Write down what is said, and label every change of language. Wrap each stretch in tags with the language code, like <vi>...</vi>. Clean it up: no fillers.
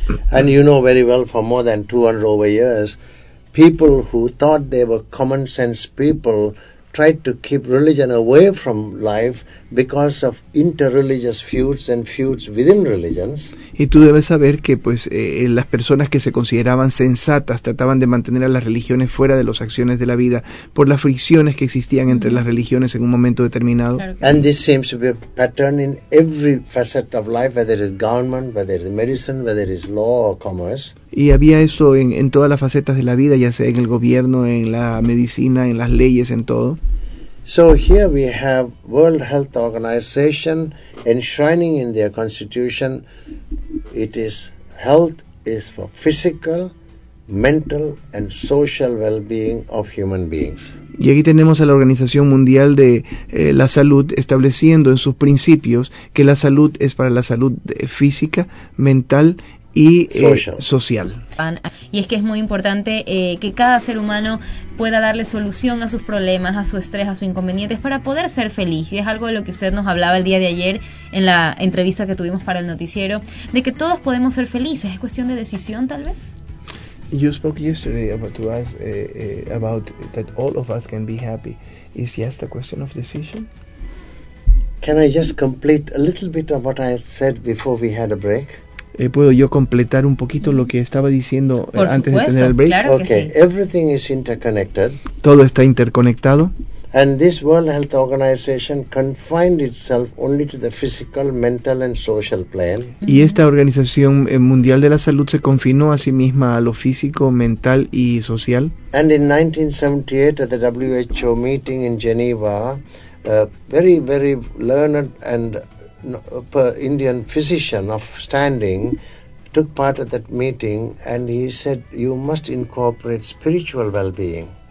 <en>And you know very well, for more than 200 over years, people who thought they were common sense people tried to keep religion away from life because of interreligious feuds and feuds within religions.</en> <es>Y tú debes saber que pues las personas que se consideraban sensatas trataban de mantener a las religiones fuera de las acciones de la vida por las fricciones que existían entre las religiones en un momento determinado. Claro.</es> <en>And this seems to be a pattern in every facet of life, whether it's government, whether it's medicine, whether it's law or commerce.</en> <es>Y había eso en todas las facetas de la vida, ya sea en el gobierno, en la medicina, en las leyes, en todo.</es> <en>So here we have World Health Organization enshrining in their constitution, it is health is for physical, mental and social well-being of human beings.</en> <es>Y aquí tenemos a la Organización Mundial de la Salud estableciendo en sus principios que la salud es para la salud física, mental y social. Y es que es muy importante que cada ser humano pueda darle solución a sus problemas, a su estrés, a sus inconvenientes, para poder ser feliz. Y es algo de lo que usted nos hablaba el día de ayer en la entrevista que tuvimos para el noticiero, de que todos podemos ser felices. Es cuestión de decisión, tal vez.</es> <en>You spoke yesterday about to us about that all of us can be happy. Is just a question of decision? Can I just complete a little bit of what I said before we had a break?</en> <es>¿Puedo yo completar un poquito lo que estaba diciendo Por antes supuesto, de tener el break? Claro</es> <en>okay.</en> <es>que sí.</es> <en>Everything is interconnected.</en> <es>Todo está interconectado.</es> <en>And this World Health Organization confined itself only to the physical, mental and social plane.</en> <es>Y esta Organización Mundial de la Salud se confinó a sí misma a lo físico, mental y social.</es> <en>And in 1978 at the WHO meeting in Geneva, very very learned and Indian physician of standing took part at that meeting and he said you must incorporate spiritual well-being.</en>